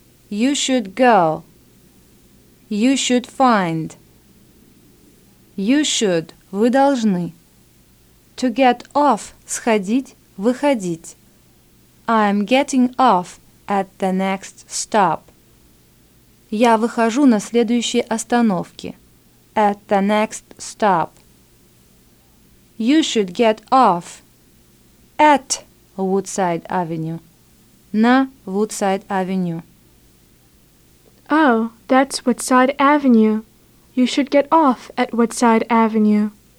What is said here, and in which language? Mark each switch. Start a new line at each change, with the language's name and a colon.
English: You should go. You should find. You should.
Russian: Вы должны.
English: To get off.
Russian: Сходить. Выходить.
English: I'm getting off at the next stop.
Russian: Я выхожу на следующей остановке.
English: At the next stop. You should get off at Woodside Avenue.
Russian: На Woodside Avenue.
English: Oh, that's Woodside Avenue. You should get off at Woodside Avenue.